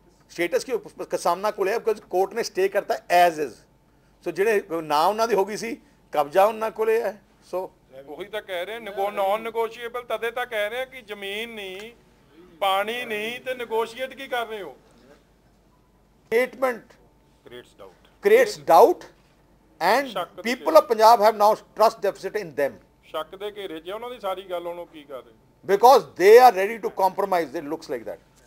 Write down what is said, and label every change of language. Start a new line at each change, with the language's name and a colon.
Punjabi: Status ਕੀ ਸਾਹਮਣਾ ਕੋਲ ਹੈ, ਬਿਕੋਜ਼ ਕੋਰਟ ਨੇ ਸਟੇ ਕਰਤਾ ਐਜ਼ ਇਜ਼. ਸੋ ਜਿਹੜੇ ਨਾ ਉਹਨਾਂ ਦੀ ਹੋ ਗਈ ਸੀ, ਕਬਜ਼ਾ ਉਹਨਾਂ ਕੋਲ ਹੈ. ਸੋ ਉਹੀ ਤਾਂ ਕਹਿ ਰਹੇ ਨੋਨ ਨੈਗੋਸ਼ੀਏਬਲ, ਤਦੇ ਤਾਂ ਕਹਿ ਰਹੇ ਕਿ ਜ਼ਮੀਨ ਨਹੀਂ, ਪਾਣੀ ਨਹੀਂ, ਤੇ ਨੈਗੋਸ਼ੀਏਟ ਕੀ ਕਰ ਰਹੇ ਹੋ? Statement
English: creates doubt and people of Punjab have now trust deficit in them.
Punjabi: ਸ਼ੱਕ ਦੇ ਘੇਰੇ ਜੇ ਉਹਨਾਂ ਦੀ ਸਾਰੀ ਗੱਲ ਉਹਨੂੰ ਕੀ ਕਰ ਰਹੇ?
English: Because they are ready to compromise, it looks like that.